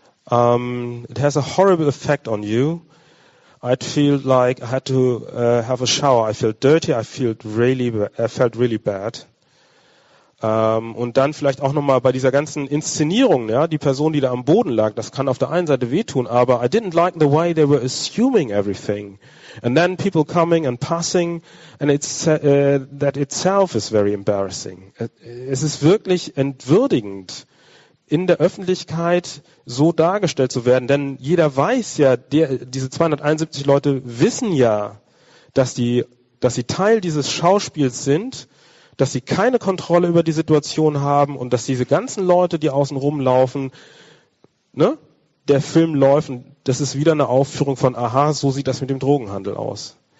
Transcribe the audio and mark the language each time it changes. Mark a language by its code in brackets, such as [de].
[en] It has a horrible effect on you. I'd feel like I had to have a shower. I felt dirty, I felt really bad. [de] Und dann vielleicht auch nochmal bei dieser ganzen Inszenierung, ja, die Person, die da am Boden lag, das kann auf der einen Seite wehtun, aber [en] I didn't like the way they were assuming everything. And then people coming and passing, and that itself is very embarrassing. [de] Es ist wirklich entwürdigend, in der Öffentlichkeit so dargestellt zu werden, denn jeder weiß ja, diese 271 Leute wissen ja, dass sie Teil dieses Schauspiels sind, dass sie keine Kontrolle über die Situation haben und dass diese ganzen Leute, die außen rumlaufen, ne, der Film läuft, das ist wieder eine Aufführung von, aha, so sieht das mit dem Drogenhandel aus.